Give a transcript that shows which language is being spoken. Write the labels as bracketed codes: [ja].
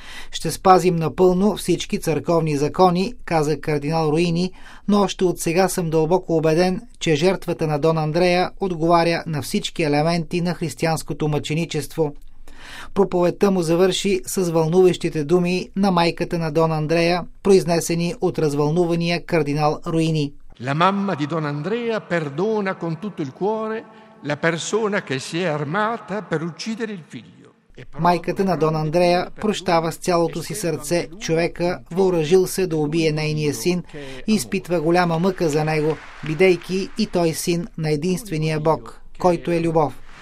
[bg] Ще спазим напълно всички църковни закони, каза кардинал Руини, но още от сега съм дълбоко убеден, че жертвата на Дон Андреа отговаря на всички елементи на християнското мъченичество. Проповедта му завърши с вълнуващите думи на майката на Дон Андреа, произнесени от развълнувания кардинал Руини. [it] La mamma di Don Andrea perdona con tutto il cuore la persona che si è armata per uccidere il figlio. [bg] Майката на Дон Андреа прощава с цялото си сърце човека, въоръжил се да убие нейния син, и изпитва голяма мъка за него, бидейки и той син на единствения Бог, който е любов.